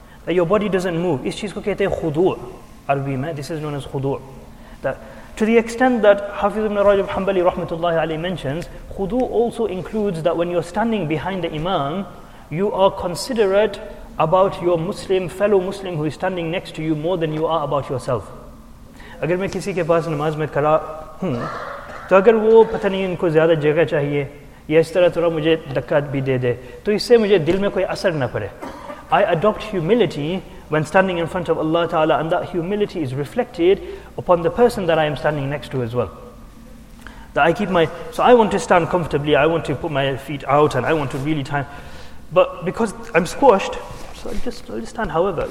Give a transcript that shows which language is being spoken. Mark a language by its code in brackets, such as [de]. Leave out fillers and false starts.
[en] That your body doesn't move. [ur] Is cheez ko kehte hain khudu', Arabi mein. [en] This is known as khudu'. To the extent that Hafiz ibn Rajab Hanbali rahmatullahi alayhi mentions, khudu' also includes that when you're standing behind the imam, you are considerate about your Muslim, fellow Muslim who is standing next to you more than you are about yourself. [ur] اگر میں کسی کے پاس نماز میں کھڑا ہوں تو اگر وہ پتہ نہیں ان کو زیادہ جگہ چاہیے یا اس طرح تھوڑا مجھے دھکا بھی دے دے تو اس سے مجھے دل میں کوئی اثر نہ پڑے. [en] I adopt humility when standing in front of Allah Ta'ala, and that humility is reflected upon the person that I am standing next to as well. That I keep my... So I want to stand comfortably, I want to put my feet out, and I want to really time... But because I'm squashed, so I'll just stand however.